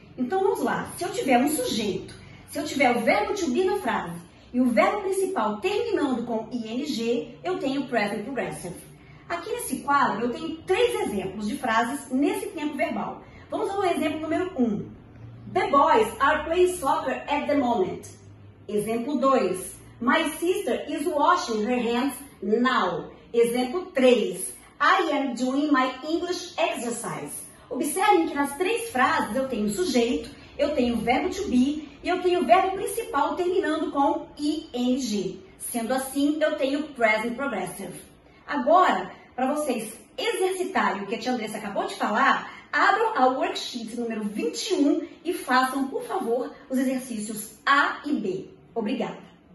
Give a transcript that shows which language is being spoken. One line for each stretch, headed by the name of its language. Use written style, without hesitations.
Portuguese: Então vamos lá, se eu tiver um sujeito, se eu tiver o verbo to be na frase e o verbo principal terminando com ing, eu tenho present progressive. Aqui nesse quadro eu tenho três exemplos de frases nesse tempo verbal. Vamos ao exemplo número 1.
English: The boys are playing soccer at the moment.
Portuguese: Exemplo 2.
English: My sister is washing her hands now.
Portuguese: Exemplo 3.
English: I am doing my English exercise.
Portuguese: Observem que nas três frases eu tenho sujeito, eu tenho o verbo to be e eu tenho o verbo principal terminando com ing. Sendo assim, eu tenho present progressive. Agora, para vocês exercitarem o que a tia Andressa acabou de falar, abram a worksheet número 21 e façam, por favor, os exercícios A e B. Obrigada!